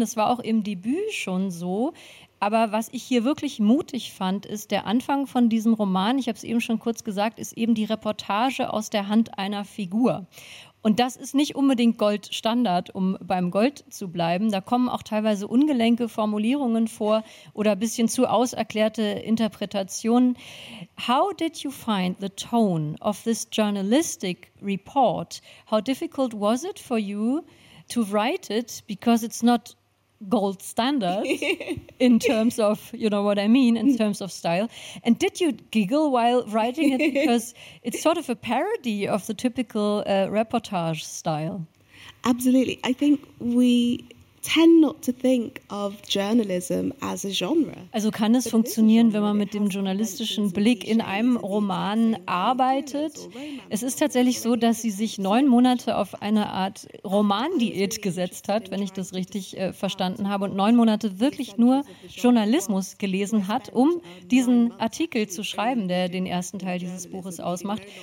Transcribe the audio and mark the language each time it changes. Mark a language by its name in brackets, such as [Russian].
[German] Das war auch im Debüt schon so. Aber was ich hier wirklich mutig fand, ist der Anfang von diesem Roman, ich habe es eben schon kurz gesagt, ist eben die Reportage aus der Hand einer Figur. Und das ist nicht unbedingt Goldstandard, um beim Gold zu bleiben. Da kommen auch teilweise ungelenke Formulierungen vor oder ein bisschen zu auserklärte Interpretationen. [English] How did you find the tone of this journalistic report? How difficult was it for you to write it? Because it's not gold standard in terms of, you know what I mean, in terms of style. And did you giggle while writing it? Because it's sort of a parody of the typical reportage style. Absolutely. I think we tend not to think of journalism as a genre. [German] Also kann es funktionieren, wenn man mit dem journalistischen Blick in einem Roman arbeitet? Es ist tatsächlich so, dass sie sich 9 Monate auf eine Art Romandiät gesetzt hat, wenn ich das richtig verstanden habe, und 9 Monate wirklich nur Journalismus gelesen hat, um diesen Artikel zu schreiben, der den ersten Teil dieses Buches ausmacht.